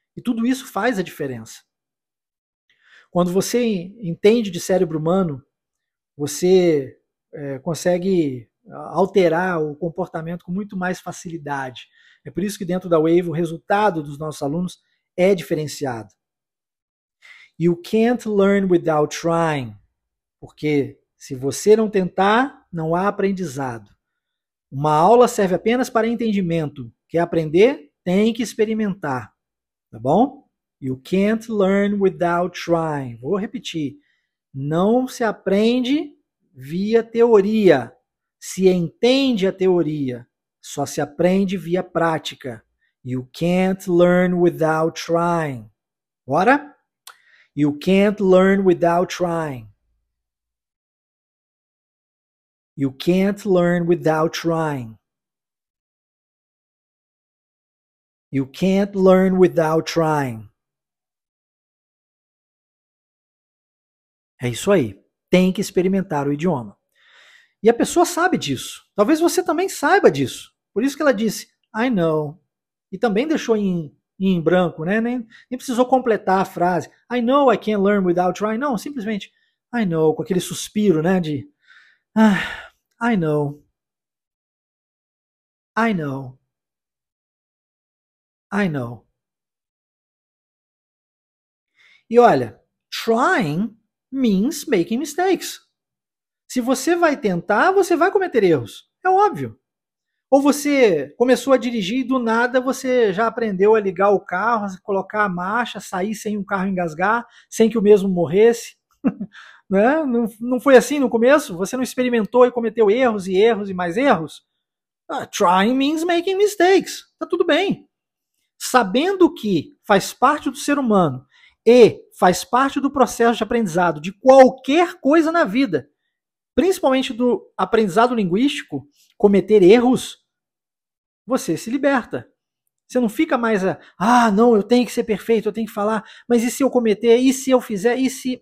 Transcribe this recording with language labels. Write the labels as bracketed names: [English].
[Portuguese] E tudo isso faz a diferença. Quando você entende de cérebro humano, você consegue alterar o comportamento com muito mais facilidade. É por isso que dentro da Wave o resultado dos nossos alunos é diferenciado. [English] You can't learn without trying. [Portuguese] Porque se você não tentar, não há aprendizado. Uma aula serve apenas para entendimento. Quer aprender? Tem que experimentar. Tá bom? [English] You can't learn without trying. [Portuguese] Vou repetir. Não se aprende via teoria. Se entende a teoria. Só se aprende via prática. [English] You can't learn without trying. [Portuguese] Bora? [English] You can't learn without trying. You can't learn without trying. You can't learn without trying. [Portuguese] É isso aí. Tem que experimentar o idioma. E a pessoa sabe disso. Talvez você também saiba disso. Por isso que ela disse, [English] I know. [Portuguese] E também deixou em branco, né? Nem precisou completar a frase. [English] I know I can't learn without trying. [Portuguese] Não, simplesmente, [English] I know. [Portuguese] Com aquele suspiro, né? De... I know. [English] I know. I know. [Portuguese] E olha, [English] trying means making mistakes. [Portuguese] Se você vai tentar, você vai cometer erros. É óbvio. Ou você começou a dirigir e do nada você já aprendeu a ligar o carro, a colocar a marcha, sair sem o carro engasgar, sem que o mesmo morresse. Né? Não, não foi assim no começo? Você não experimentou e cometeu erros e erros e mais erros? [English] Trying means making mistakes. [Portuguese] Tá tudo bem. Sabendo que faz parte do ser humano e faz parte do processo de aprendizado de qualquer coisa na vida, principalmente do aprendizado linguístico, cometer erros, você se liberta. Você não fica mais, não, eu tenho que ser perfeito, eu tenho que falar, mas e se eu cometer, e se eu fizer, e se...